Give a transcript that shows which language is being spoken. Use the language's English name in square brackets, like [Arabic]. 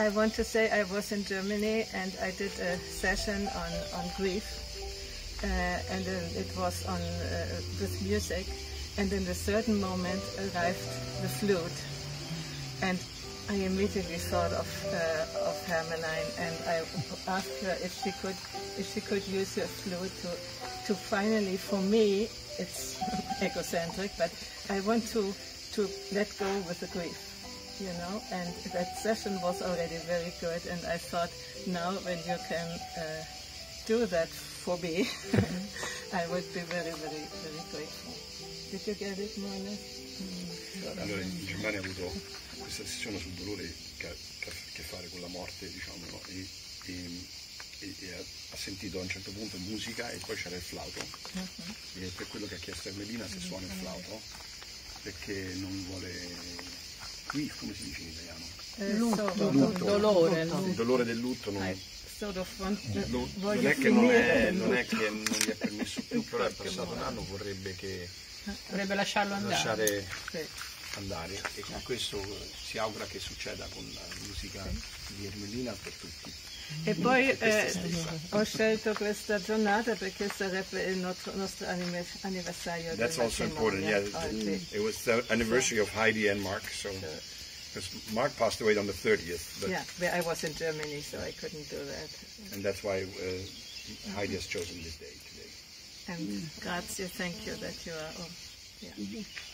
[English] I want to say I was in Germany and I did a session on grief, and it was on with music, and in a certain moment arrived the flute, and I immediately thought of Hermeline, and I asked her if she could use her flute to finally, for me, it's egocentric, but I want to let go with the grief, you know. And that session was already very good, and I thought, now when you can do that for me, I would be very, very, very grateful. Did you get it, Marina? [Italian] Allora, in Germania ho avuto questa sessione sul dolore che ha a che fare con la morte, diciamo, no? E ha sentito a un certo punto musica e poi c'era il flauto. Uh-huh. E per quello che ha chiesto a Melina se suona il flauto, perché non vuole. Qui come si dice in italiano? Lutto. Dolore. Il dolore del lutto non. Non è che non gli ha permesso più, però è passato un anno, vorrebbe che. Vorrebbe lasciarlo andare. Lasciare andare. E con questo si augura che succeda con la musica di Ermelina per tutti. E poi ho scelto questa giornata perché sarebbe il nostro anniversario. [English] That's also important, yeah. It was the anniversary of Heidi and Mark, so. Because Mark passed away on the 30th. But yeah, I was in Germany, so I couldn't do that. And that's why Heidi has chosen this day today. And grazie, thank you that you are. Oh, yeah. Mm-hmm.